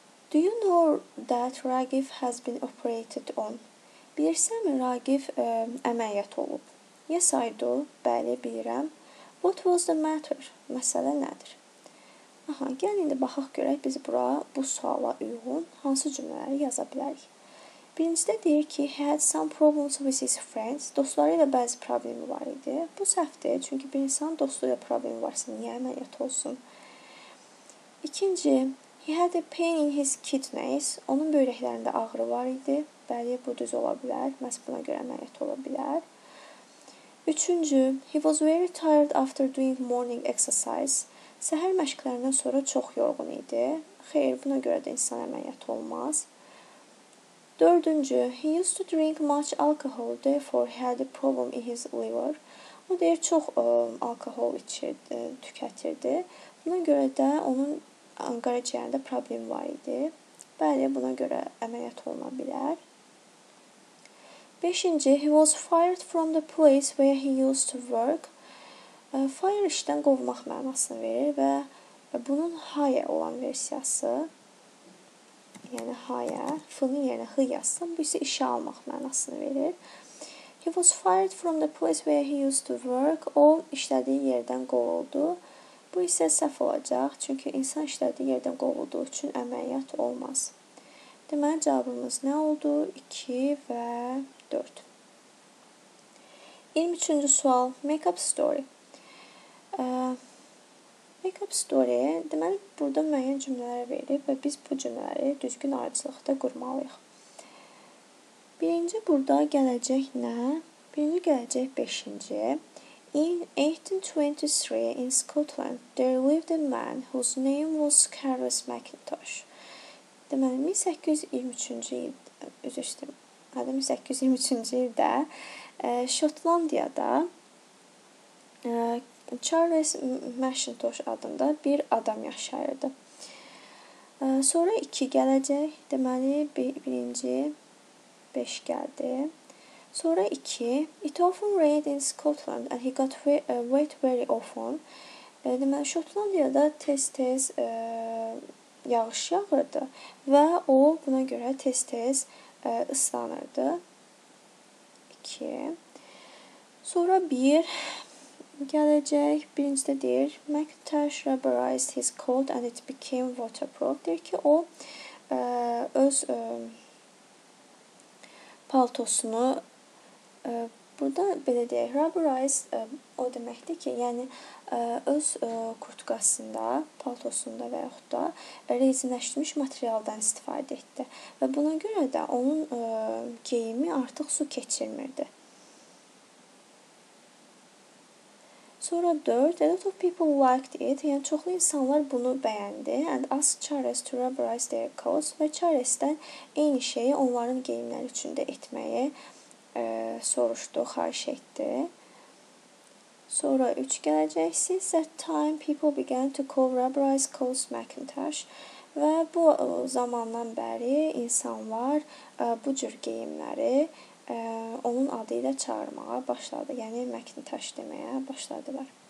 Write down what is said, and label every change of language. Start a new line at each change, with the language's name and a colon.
English: Do you know that Ragif has been operated on?
Azerbaijani: Bilirsən mi, Ragif əməliyyat olub?
English: Yes, I do.
Azerbaijani: Bəli, bilirəm.
English: What was the matter?
Azerbaijani: Məsələ nədir? Aha, gəl indi baxaq görək biz bura bu suala uyğun hansı cümlələri yaza bilərik. Birincidə deyir ki,
English: he had some problems with his friends.
Azerbaijani: Dostları ilə bəzi problemi var idi. Bu səhvdir, çünki bir insan dostu ilə problemi varsa niyə əməliyyat olsun? İkinci,
English: he had a pain in his kidneys.
Azerbaijani: Onun böyrəklərində ağrı var idi. Bəli, bu düz ola bilər. Məhz buna görə əməliyyat ola bilər. Üçüncü,
English: he was very tired after doing morning exercise.
Azerbaijani: Səhər məşqlərindən sonra çox yorğun idi. Xeyr, buna görə də insan əməliyyat olmaz. Dördüncü,
English: he used to drink much alcohol, therefore he had a problem in his liver.
Azerbaijani: O deyir, çox alkohol içirdi, tükətirdi. Buna görə də onun qaraciyərində problem var idi. Bəli, buna görə əməliyyat oluna bilər. Beşinci,
English: he was fired from the place where he used to work.
Azerbaijani: Fire işdən qovmaq mənasını verir və bunun hire olan versiyası, yəni hire, fının yerinə hı yazsın, bu isə işə almaq mənasını verir.
English: He was fired from the place where he used to work.
Azerbaijani: O, işlədiyi yerdən qovuldu. Bu isə səhv olacaq, çünki insan işlədiyi yerdən qovulduğu üçün əməliyyat olmaz. Deməli, cavabımız nə oldu? 2 və 4. 23-cü sual. Make-up story.
English: Make-up story.
Azerbaijani: Deməli, burada müəyyən cümlələr verir və biz bu cümləri düzgün ayrıcılıqda qurmalıyıq. Birinci burada gələcək nə? Birinci gələcək 5-ci.
English: In 1823 in Scotland, there lived a man whose name was Carlos McIntosh.
Azerbaijani: Deməli, 1823-cü ildə Şotlandiyada Charles McIntosh adında bir adam yaşayırdı. Sonra iki gələcək, deməli, birinci beş gəldi. Sonra iki,
English: it often rained in Scotland and he got wet very often.
Azerbaijani: Deməli, Şotlandiyada tez-tez yağış yağırdı və o buna görə tez-tez ıslanırdı. 2. Sonra 1 gələcək. Birincidə deyir,
English: McIntosh rubberized his coat and it became waterproof.
Azerbaijani: Deyir ki, o öz paltosunu burada belə deyək, rubberized o deməkdir ki, yəni öz kurtkasında, paltosunda və yaxud da rezinləşdirilmiş materialdan istifadə etdi. Və buna görə də onun geyimi artıq su keçirmirdi. Sonra 4.
English: A lot of people liked it.
Azerbaijani: Yəni, çoxlu insanlar bunu bəyəndi.
English: And asked Charles to rubberize their coats.
Azerbaijani: Və Charles'dan eyni şeyi onların geyimləri üçün də etməyi soruşdu, xahiş etdi. Sonra 3 gələcək.
English: Since that time, people began to call rubberized coats McIntosh.
Azerbaijani: Və bu zamandan bəri insanlar bu cür geyimləri onun adı ilə çağırmağa başladı. Yəni, McIntosh deməyə başladılar.